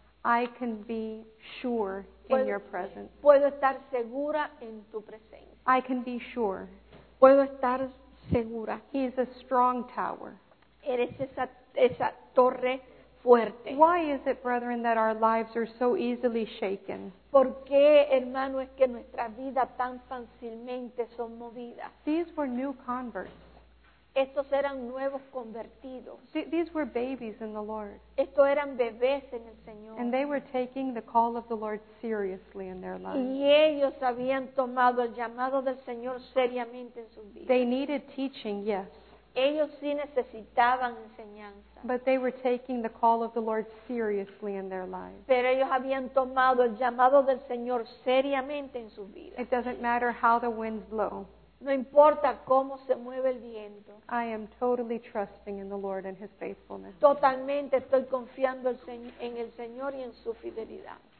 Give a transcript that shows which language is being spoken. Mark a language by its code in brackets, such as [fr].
[en] I can be sure in your presence. [es] Puedo estar segura en tu presencia. [en] I can be sure. [es] Puedo estar segura. [en] He is a strong tower. [es] Eres esa torre fuerte. [en] Why is it, brethren, that our lives are so easily shaken? [es] ¿Por qué, hermano, es que nuestra vida tan fácilmente son movidas? [en] These were new converts. [es] Estos eran nuevos convertidos. [en] These were babies in the Lord. [es] Estos eran bebés en el Señor. [en] And they were taking the call of the Lord seriously in their lives. [es] Y ellos habían tomado el llamado del Señor seriamente en sus vidas. [en] They needed teaching, yes. [es] Ellos sí necesitaban enseñanza. [en] But they were taking the call of the Lord seriously in their lives. [es] Pero ellos habían tomado el llamado del Señor seriamente en sus vidas. [en] It doesn't matter how the winds blow. [es] No importa cómo se mueve el viento. [en] I am totally trusting in the Lord and His faithfulness. [es] Totalmente estoy confiando en el Señor y en su fidelidad.